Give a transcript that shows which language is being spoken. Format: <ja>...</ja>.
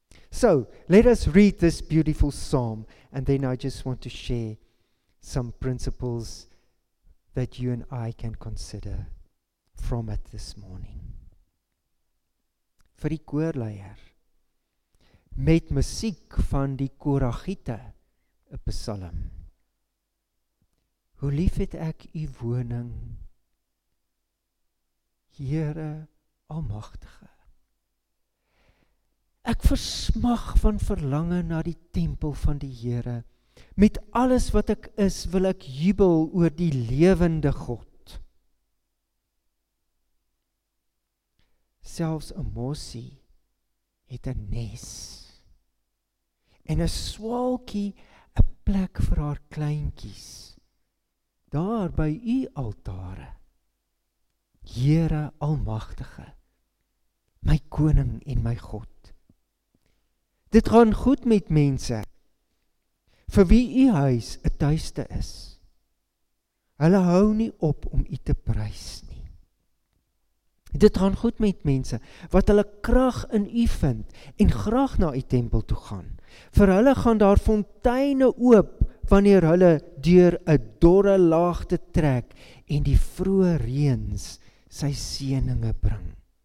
<en>So, let us read this beautiful psalm, and then I just want to share some principles that you and I can consider from it this morning.</en> <af>Vir die koorleier, met musiek van die Koragiete, 'n psalm. Hoe lief het ek u woning, Here Almagtige. Ek versmag van verlange na die tempel van die Here. Met alles wat ek is, wil ek jubel oor die lewende God. Selfs 'n mossie het 'n nes, en 'n swaalkie 'n plek vir haar kleintjies, daar by u altare, Here Almagtige, my Koning en my God. Dit gaan goed met mense, vir wie u huis 'n tuiste is. Hulle hou nie op om u te prys nie. Dit gaan goed met mense wat hulle krag in u vind en graag na u tempel toe gaan. Vir hulle gaan daar fonteine oop wanneer hulle deur 'n dorre laagte trek en die vroeë reëns sy seëninge bring.</af>